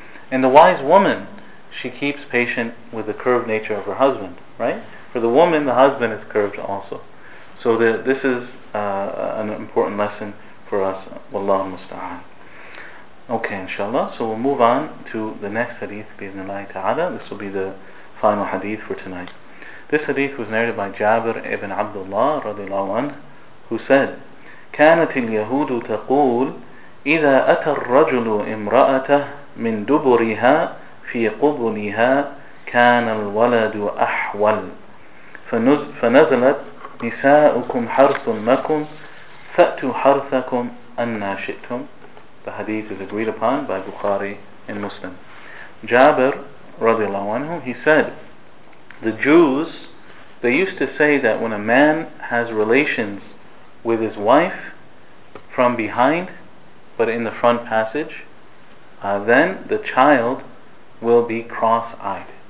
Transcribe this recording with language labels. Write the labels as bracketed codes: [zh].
[en] And the wise woman, she keeps patient with the curved nature of her husband, right? For the woman, the husband is curved also. So this is an important lesson for us. Wallahu musta'an. Okay, inshallah. So we'll move on to the next hadith, bi'ithnillahi ta'ala. This will be the final hadith for tonight. This hadith was narrated by Jabir ibn Abdullah radiallahu anhu, who said, [ar] كانت اليهود تقول إذا أتى الرجل امرأته من دبرها في قبلها كان الولد أحول فنزلت نساؤكم حرث لكم فأتوا حرثكم أنا شئتم. [en] The hadith is agreed upon by Bukhari and Muslim. Jabir radiallahu anhu, he said, the Jews, they used to say that when a man has relations with his wife from behind, but in the front passage, then the child will be cross-eyed.